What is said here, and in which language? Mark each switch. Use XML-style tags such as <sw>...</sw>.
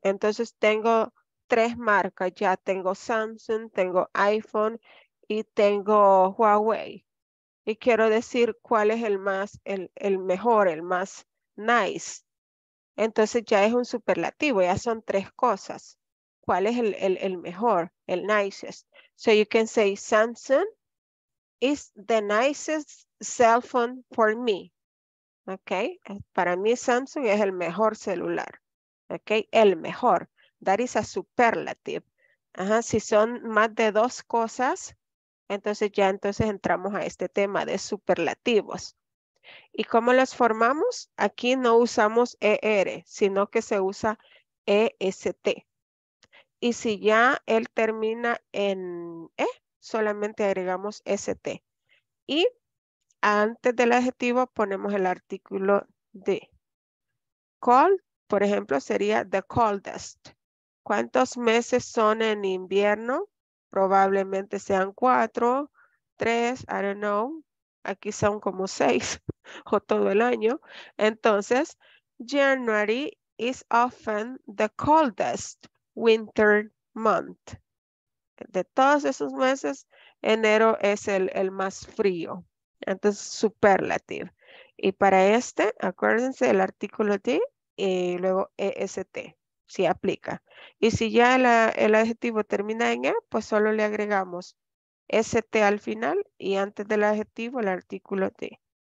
<es>Entonces tengo tres marcas. Ya tengo Samsung, tengo iPhone y tengo Huawei. Y quiero decir cuál es el mejor, el más nice. Entonces ya es un superlativo, ya son tres cosas. ¿Cuál es el mejor, el nicest?</es> <en>So you can say Samsung is the nicest cell phone for me.</en> <es>Okay, para mí Samsung es el mejor celular. Okay, el mejor.</es> <en>That is a superlative.</en> <es>Si son más de dos cosas, entonces entramos a este tema de superlativos. ¿Y cómo los formamos? Aquí no usamos ER, sino que se usa EST. Y si ya él termina en E, solamente agregamos ST. Y antes del adjetivo ponemos el artículo D. Cold, por ejemplo, sería the coldest. ¿Cuántos meses son en invierno? Probablemente sean 4, 3,</es> <en>I don't know.</en> <es>Aquí son como 6 o todo el año.</es> <en>Entonces, January is often the coldest winter month.</en> <es>De todos esos meses, enero es el más frío. Entonces, superlative. Y para este, acuérdense el artículo T y luego EST, si aplica. Y si ya el adjetivo termina en E, pues solo le agregamos ST al final y antes del adjetivo el artículo T.</es>